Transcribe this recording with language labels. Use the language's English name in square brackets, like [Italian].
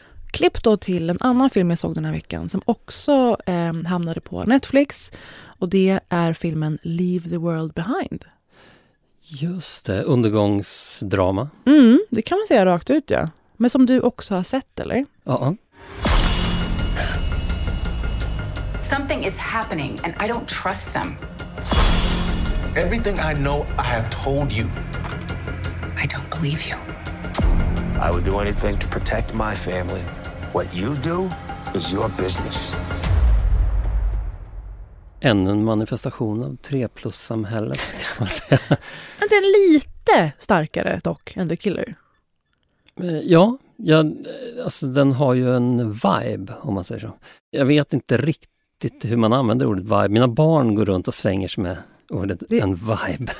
[Swedish] Klipp då till en annan film jag såg den här veckan som också hamnade på Netflix. Och det är filmen Leave the World Behind. Just det, undergångsdrama. Mm, det kan man säga rakt ut, ja. Men som du också har sett, eller? Ja. Uh-huh. [English] Something is happening and I don't trust them. Everything I know, I have told you. I don't believe you. I would do anything to protect my family. What you do is your business. [Swedish] Ännu en manifestation av 3+-samhället kan man säga. Men den lite starkare dock än The Killer. Ja, alltså den har ju en vibe om man säger så. Jag vet inte riktigt hur man använder ordet vibe. Mina barn går runt och svänger sig med ordet en vibe.